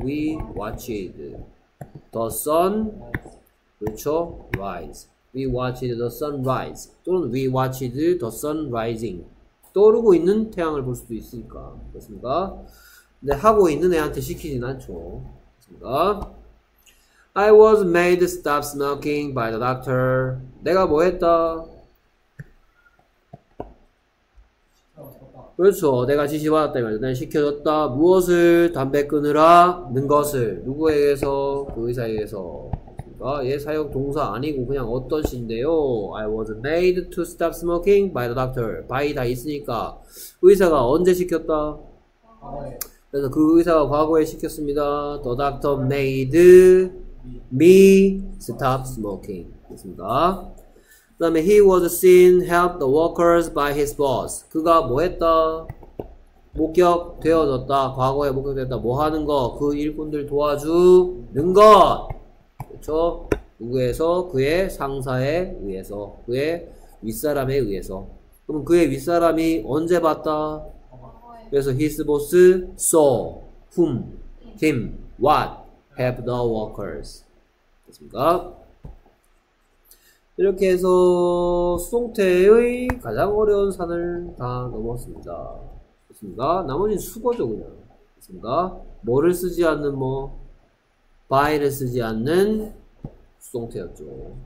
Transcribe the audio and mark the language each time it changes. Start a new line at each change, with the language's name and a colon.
English: We watched the sun.
Korean: 그렇죠.
English: Rise. We watched the sun rise. 또는 we watched the sun rising.
Korean: 떠오르고 있는 태양을 볼 수도 있으니까. 그렇습니까? 근데 하고 있는 애한테 시키진 않죠. 그렇습니까?
English: I was made to stop smoking by the doctor.
Korean: 내가 뭐 했다? 그렇죠. 내가 지시받았다. 내가 시켜줬다. 무엇을? 담배 끊으라? 는 것을. 누구에게서? 그 의사에게서. 아, 얘 사역 동사 아니고 그냥 어떤 시인데요.
English: I was made to stop smoking by the doctor.
Korean: by 다 있으니까. 의사가 언제 시켰다? 그래서 그 의사가 과거에 시켰습니다.
English: The doctor made me stop smoking.
Korean: 됐습니다. 그 다음에
English: he was seen help the workers by his boss.
Korean: 그가 뭐 했다? 목격되어졌다. 과거에 목격됐다. 뭐 하는 거? 그 일꾼들 도와주는 것! 그쵸? 누구에서? 그의 상사에 의해서. 그의 윗사람에 의해서. 그럼 그의 윗사람이 언제 봤다? 그래서
English: his boss saw whom, him, what, have the workers.
Korean: 됐습니까? 이렇게 해서 수동태의 가장 어려운 산을 다 넘었습니다. 됐습니까? 나머지는 수거죠, 그냥. 됐습니까? 뭐를 쓰지 않는 뭐, by를 쓰지 않는 수동태였죠.